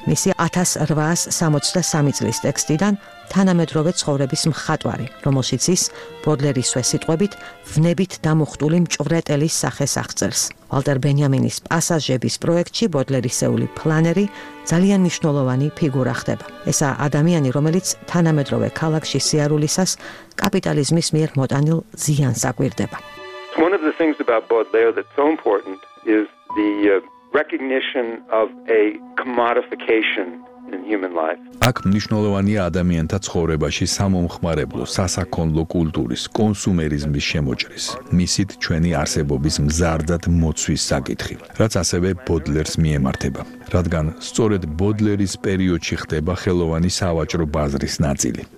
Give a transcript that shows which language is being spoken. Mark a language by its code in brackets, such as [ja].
[ka] მისი 1863 წლის ტექსტიდან თანამედროვე ცხოვრების მხატვარი, რომელშიც ის ბოდლერისვე სიტყვებით ვნებით დამუხტული მჭვრეტელის სახეს აღწერს. ვალტერ ბენიამინის პასაჟების პროექტში ბოდლერისეული პლანერი ძალიან მნიშვნელოვანი ფიგურა ხდება. ესა ადამიანი, რომელიც თანამედროვე ქალაქში სიარულისას კაპიტალიზმის მიერ მოტანილ ზიანს აკვირდება. [en] One of the things about Baudelaire that's so important is the recognition of a commodification in human life. [ka] აქ მნიშვნელოვანია ადამიანთა ცხოვრებაში სამომხმარებლო, სასაქონლო კულტურის, კონსუმერიზმის შემოჭრის, მისით ჩვენი არსებობის მზარდად მოცვის საკითხი, რაც ასევე ბოდლერს მიემართება. რადგან სწორედ ბოდლერის პერიოდში ხდება ხელოვანი სავაჭრო ბაზრის ნაწილი.